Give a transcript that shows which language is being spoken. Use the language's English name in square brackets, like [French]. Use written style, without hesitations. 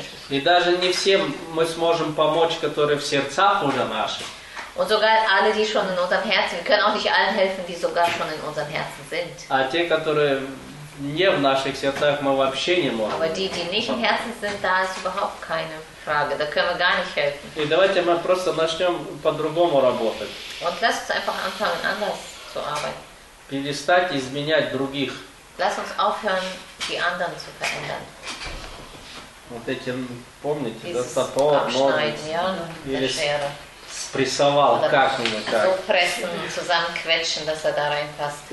[Russian] И даже не всем мы сможем помочь, которые в сердцах уже наши. [German] Und sogar alle, die schon in unserem Herzen, wir können auch nicht allen helfen, die sogar schon in unserem Herzen sind. [Russian] А те, которые не в наших сердцах, мы вообще не можем. [German] Aber die, die nicht im Herzen sind, da ist überhaupt keine Frage. Da können wir gar nicht helfen. [Russian] И давайте мы просто начнем по-другому работать. [German] Und lass uns einfach anfangen, anders zu arbeiten. [Russian] Перестать изменять других. [German] Lass uns aufhören, die anderen zu verändern. [Russian] Вот эти, помните, [German] dieses [Russian] да, Сатор, Морис, [German] ja, [Russian] спрессовал как-нибудь так. [German] So pressen, zusammenquetschen, dass er da reinpasst.